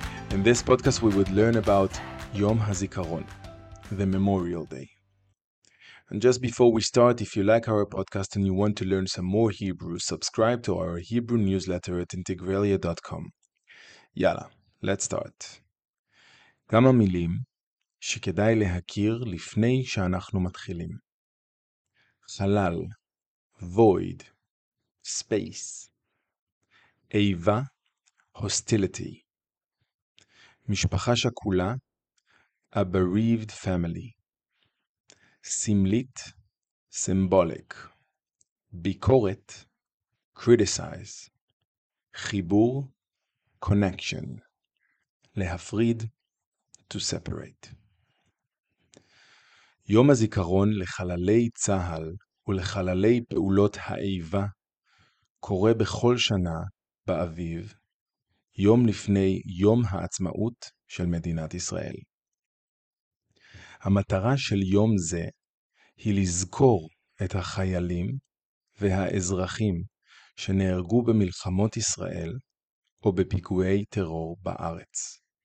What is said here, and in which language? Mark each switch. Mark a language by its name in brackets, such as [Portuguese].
[English] In this podcast we would learn about Yom Azikaron, the Memorial Day. And just before we start, if you like our podcast and you want to learn some more Hebrew, subscribe to our Hebrew newsletter at integralia.com. יאללה, let's start. [Hebrew] כמה מילים שכדאי להכיר לפני שאנחנו מתחילים. [English] חלל, void, space. איבה, hostility. [Hebrew] משפחה שכולה, [English] a bereaved family. סמלית, symbolic. ביקורת, criticize. חיבור, connection. להפריד, to separate. [Hebrew] יום הזיכרון לחללי צהל ולחללי פעולות האיבה קורה בכל שנה באביב, יום לפני יום העצמאות של מדינת ישראל. המטרה של יום זה היא לזכור את החיילים והאזרחים שנהרגו במלחמות ישראל או בפיגועי טרור בארץ.